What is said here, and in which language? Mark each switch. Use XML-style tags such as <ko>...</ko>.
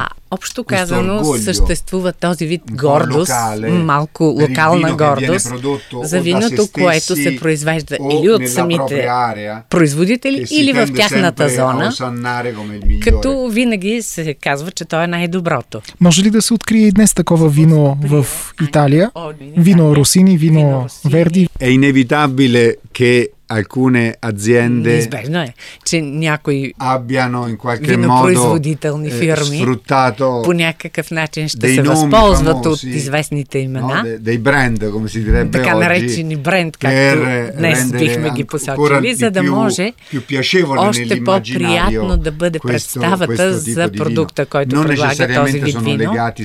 <bg>Общо казано, съществува този вид гордост, малко локална гордост за виното, което се произвежда или от самите производители, или в тяхната зона, като винаги се казва, че то е най-доброто. Може ли да се открие и днес такова вино в Италия? Вино Росини, вино Верди?</bg> <it>Е inevitabile che alcune aziende</it> <bg>неизбежно е, че някои винопроизводителни фирми по някакъв начин ще се възползват от известните имена, така наречени бренд, както днес бихме ги посочили, за да може още по-приятно да бъде представата за продукта, който предлага този вид вино.</bg>